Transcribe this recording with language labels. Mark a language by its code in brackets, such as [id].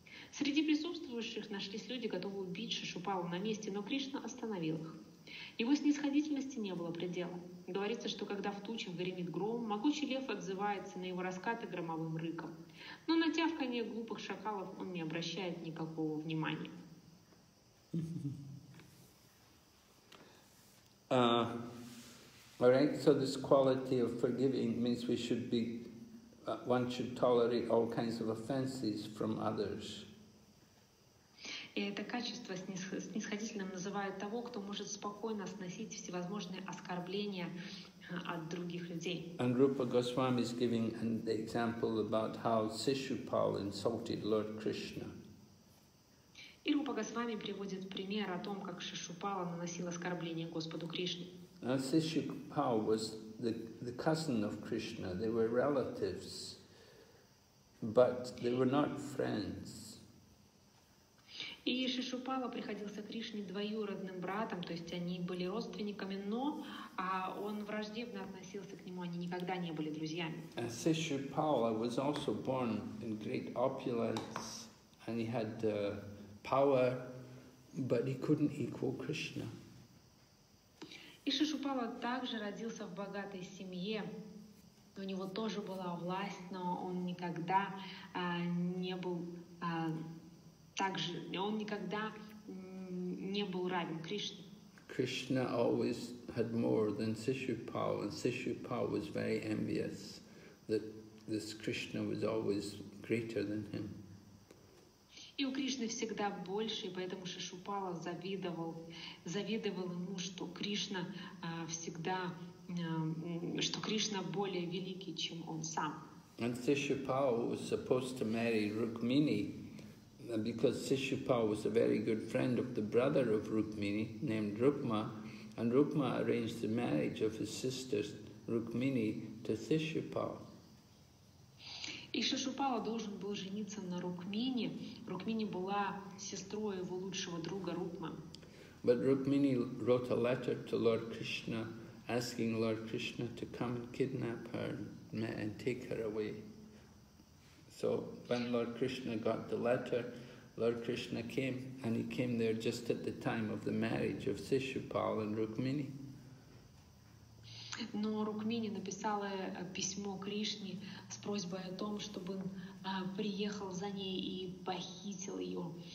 [ru] Среди присутствующих нашлись люди, готовые убить Шишупалу на месте, но Кришна остановил их. Его снисходительности не было предела. Говорится, что когда в тучах гремит гром, могучий лев отзывается на его раскаты громовым рыком. Но на тявканье глупых шакалов он не обращает никакого внимания. [en] All right, so this quality of forgiving means we should be, one should tolerate all kinds of offenses from others. [ru] И это качество снисходительным называют того, кто может спокойно сносить всевозможные оскорбления от других людей. [en] And Rupa Goswami is giving an example about how Sishupal insulted Lord Krishna. [ru] И Рупа Госвами приводит пример о том, как Шишупала наносил оскорбление Господу Кришне. [en] Шишупала was the cousin of Krishna. They were relatives, but they were not friends. [ru] И Шишупала приходился Кришне двоюродным братом, то есть они были родственниками, но он враждебно относился к нему, они никогда не были друзьями. [en] Шишупала was also born in great opulence, and he had power, but he couldn't equal Krishna. [ru] И Шишупала также родился в богатой семье. У него тоже была власть, но он никогда не был также. Он никогда не был равен Кришне. [en] Krishna always had more than Sishupala, and Sishupala was very envious that this Krishna was always greater than him. [ru] И у Кришны всегда больше, и поэтому Шишупала завидовал ему, что Кришна что Кришна более великий, чем он сам. [en] And Sishupala was supposed to marry Rukmini, because Sishupala was a very good friend of the brother of Rukmini, named Rukma, and Rukma arranged the marriage of his sister Rukmini to Sishupala. [ru] И Шишупала должен был жениться на Рукмини. Рукмини была сестрой его лучшего друга Рукма. [en] But Rukmini wrote a letter to Lord Krishna, asking Lord Krishna to come and kidnap her and take her away. So when Lord Krishna got the letter, Lord Krishna came, and he came there just at the time of the marriage of Sishupala and Rukmini. [ru] Но Рукмини написала письмо Кришне с просьбой о том, чтобы он приехал за ней и похитил ее.